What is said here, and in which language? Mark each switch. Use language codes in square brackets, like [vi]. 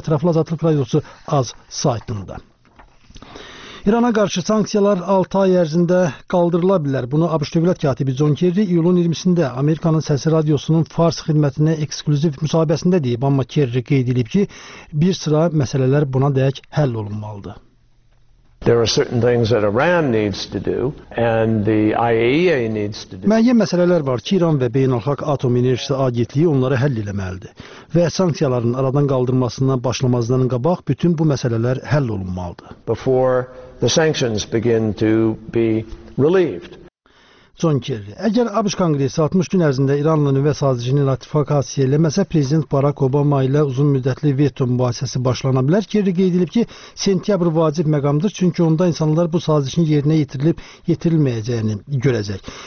[az] Ətraflı Azadlıq Radiosu AZ saytında. İrana qarşı sanksiyalar 6 ay ərzində qaldırıla bilər. Bunu ABŞ Dövlət Katibi John Kerry iyulun 20-sində Amerikanın Səsi Radiosunun Fars xidmətinə ekskluziv müsahibəsində deyib. Amma Kerry qeyd edib ki, bir sıra məsələlər buna dək həll olunmalıdır. [en] There are certain things that Iran needs to do and the IAEA needs to do. [az] Müəyyən məsələlər var ki, İran və Beynəlxalq Atom Enerjisi Agentliyi onları həll etməlidir. Və sanksiyaların aradan qaldırılmasından başlamazdan qabaq bütün bu məsələlər həll olunmalıdır. [en] Before the sanctions begin to be relieved. [az] John Kerry, əgər ABŞ Konqresi 60 gün ərzində İranla nüvə sazişini ratifikasiya eləməsə, Prezident Barack Obama ilə uzunmüddətli veto mübahisəsi başlana bilər. Kerry qeyd edib ki, sentyabr vacib məqamdır, çünki onda insanlar bu sazişin yerinə yetirilib yetirilməyəcəyini görəcək.